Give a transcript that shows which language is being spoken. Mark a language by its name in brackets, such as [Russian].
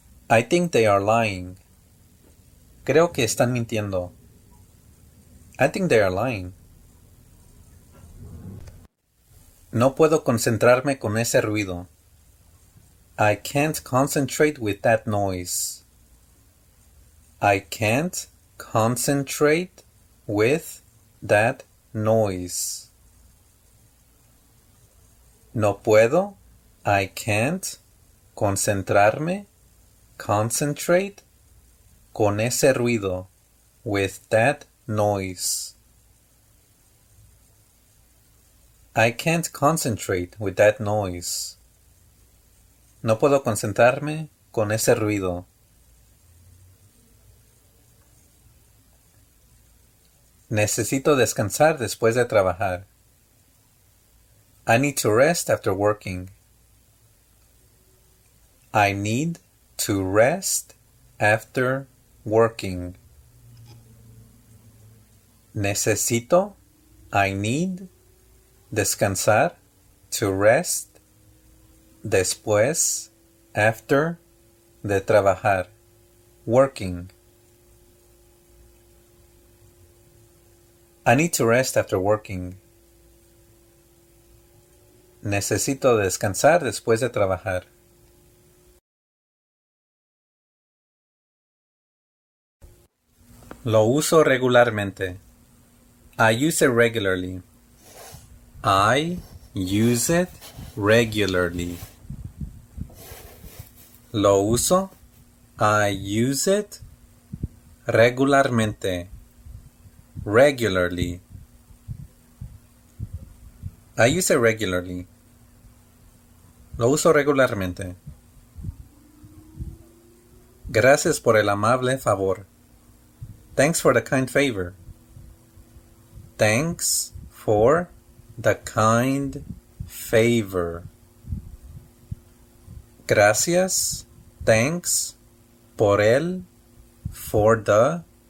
[English] I think they are lying. [Spanish] Creo que están mintiendo. [English] I think they are lying. [Spanish] No puedo concentrarme con ese ruido. [English] I can't concentrate with that noise. I can't concentrate with that noise. [Spanish] No puedo, [English] I can't, [Spanish] concentrarme, [English] concentrate, [Spanish] con ese ruido, [English] with that noise. I can't concentrate with that noise. [Spanish] No puedo concentrarme con ese ruido. Necesito descansar después de trabajar. [English] I need to rest after working. I need to rest after working. [Spanish] Necesito, [English] I need, [Spanish] descansar, [English] to rest, [Spanish] después, [English] after, [Spanish] de trabajar, [English] working. I need to rest after working. [Spanish] Necesito descansar después de trabajar. Lo uso regularmente. [English] I use it regularly. I use it regularly. [Spanish] Lo uso. [English] I use it [Spanish] regularmente. [English] Regularly. I use it regularly. [Spanish] Lo uso regularmente. Gracias por el amable favor. [English] Thanks for the kind favor. Thanks for the kind favor. [Spanish] Gracias. [English] Thanks. [Spanish] Por el. [English] For the.